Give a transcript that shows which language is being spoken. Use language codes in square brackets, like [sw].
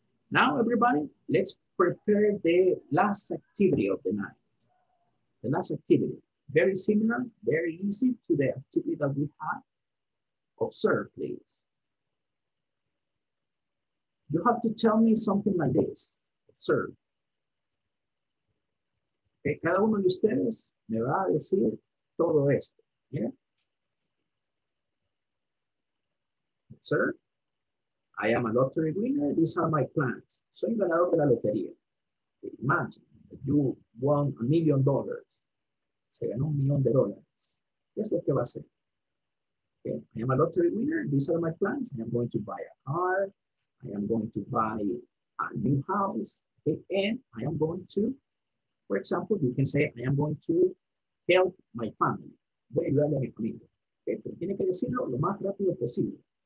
[en] Now, everybody, let's prepare the last activity of the night. The last activity, very similar, very easy to the activity that we have. Observe, please. You have to tell me something like this. Observe. [es] Okay, cada uno de ustedes me va a decir todo esto. [en] Yeah? Observe. I am a lottery winner. These are my plans. [es] Soy ganador de la lotería. [en] Imagine that you won $1,000,000. [es] Se ganó $1,000,000. [en] Guess what [es] que va a hacer? [en] Okay. I am a lottery winner. These are my plans. I am going to buy a car. I am going to buy a new house. Okay. And I am going to, for example, you can say, I am going to help my family. [es] Voy a ayudarle a mi familia. Okay. Pero tiene que decirlo lo más rápido posible.